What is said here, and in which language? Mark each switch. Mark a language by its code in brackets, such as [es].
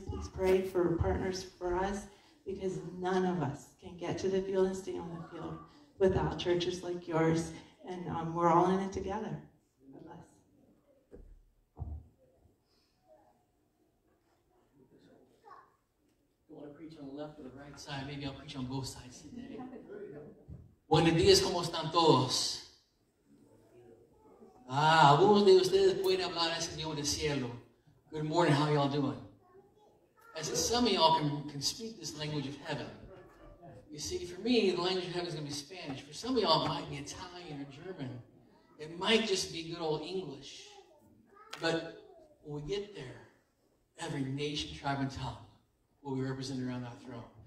[en] Please pray for partners for us, because none of us can get to the field and stay on the field without churches like yours. And we're all in it together. God bless. I want to preach on the left or the right side. Maybe I'll preach on both sides today. [es] Buenos días, ¿cómo están todos? Ah, algunos de ustedes pueden hablar al Señor del cielo. [en] Good morning, how y'all doing? I said, some of y'all can speak this language of heaven. You see, for me, the language of heaven is going to be Spanish. For some of y'all, it might be Italian or German. It might just be good old English. But when we get there, every nation, tribe, and tongue will be represented around that throne.